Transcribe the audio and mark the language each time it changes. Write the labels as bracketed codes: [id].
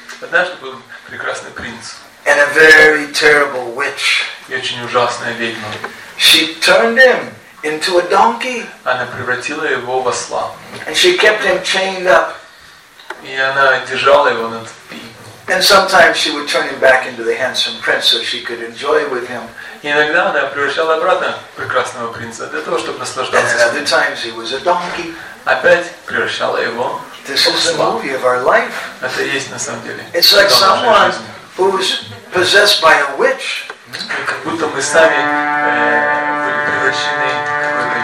[ru] Однажды был прекрасный принц. [en] And a very terrible witch. [ru] И очень ужасная ведьма. [en] She turned him into a donkey. [ru] Она превратила его в осла. [en] And she kept him chained up. [ru] И она держала его на цепи. [en] And sometimes she would turn him back into the handsome prince so she could enjoy with him. [ru] И иногда она превращала обратно прекрасного принца для того, чтобы наслаждаться. [en] And other times he was a donkey. [ru] Опять превращала его. [en] This is the movie of our life. [ru] Это есть на самом деле. [en] It's like someone who's possessed by a witch. [ru] Как будто мы сами превращены в